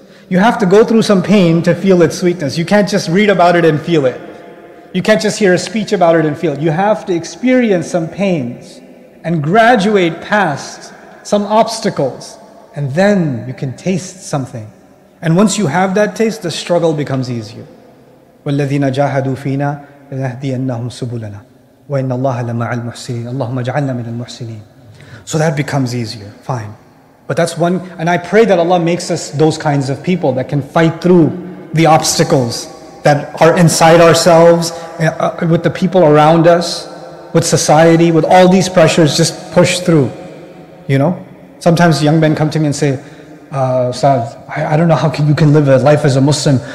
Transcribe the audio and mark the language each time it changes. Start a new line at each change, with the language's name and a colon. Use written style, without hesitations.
English: You have to go through some pain to feel its sweetness. You can't just read about it and feel it. You can't just hear a speech about it and feel it. You have to experience some pains and graduate past some obstacles. And then you can taste something. And once you have that taste, the struggle becomes easier.
Arabic: وَالَّذِينَ جَاهَدُوا فِينا لَنَهْدِيَنَّهُمْ سُبُلَنَا وَإِنَّ اللَّهَ لَمَعَ الْمُحْسِنِينَ اللَّهُمَّ اجْعَلْنَا مِنَ الْمُحْسِنِينَ
English: So that becomes easier, fine. But that's one, and I pray that Allah makes us those kinds of people that can fight through the obstacles that are inside ourselves, with the people around us, with society, with all these pressures, just push through, you know? Sometimes young men come to me and say, Ustaz, I don't know how you can live a life as a Muslim.